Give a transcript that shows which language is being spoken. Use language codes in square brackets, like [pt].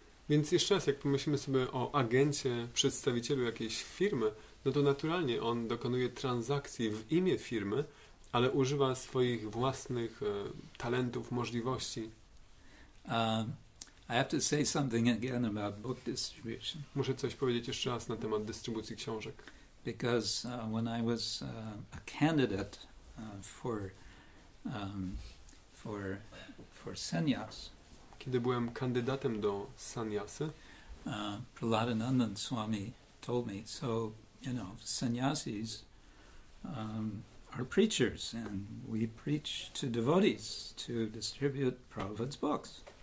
[pl] Więc jeszcze raz, jak pomyślimy sobie o agencie, przedstawicielu jakiejś firmy, no to naturalnie on dokonuje transakcji w imię firmy, ale używa swoich własnych talentów, możliwości. [en] I have to say something again about book distribution. [pl] Muszę coś powiedzieć jeszcze raz na temat dystrybucji książek. [en] Because when I was a candidate for sannyas. [pl] Kiedy byłem kandydatem do sannyasy, [en] Prahladanandan Swami told me, so sannyasis are preachers and we preach to devotees to distribute Prabhupada's books.